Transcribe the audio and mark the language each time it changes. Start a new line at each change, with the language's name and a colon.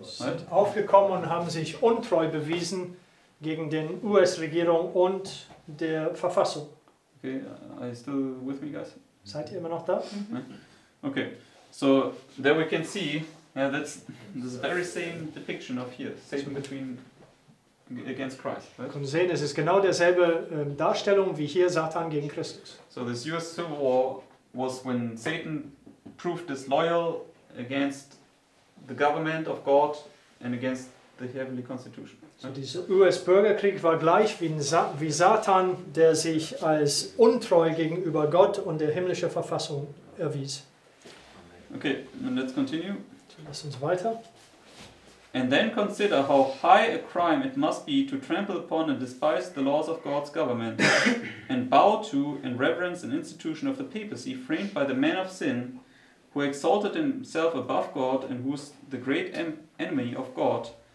German: Sind aufgekommen und haben sich untreu bewiesen gegen den US-Regierung und der Verfassung.
English: Okay, are you still with me, guys?
German: Seid ihr immer noch da?
English: Okay, so there we can see, yeah, that's the very same depiction of here, same between against Christ. Right?
German: Können sehen, es ist genau derselbe Darstellung wie hier Satan gegen Christus.
English: So this US Civil War was when Satan proved disloyal against the government of God and against the heavenly constitution. Right?
German: So dieser US Bürgerkrieg war gleich wie Satan, der sich als untreu gegenüber Gott und der himmlischen Verfassung erwies.
English: Okay, and let's continue.
German: So, lass uns weiter.
English: And then consider how high a crime it must be to trample upon and despise the laws of God's government and bow to and reverence an institution of the papacy framed by the man of sin who exalted himself above God and who is the great enemy of God.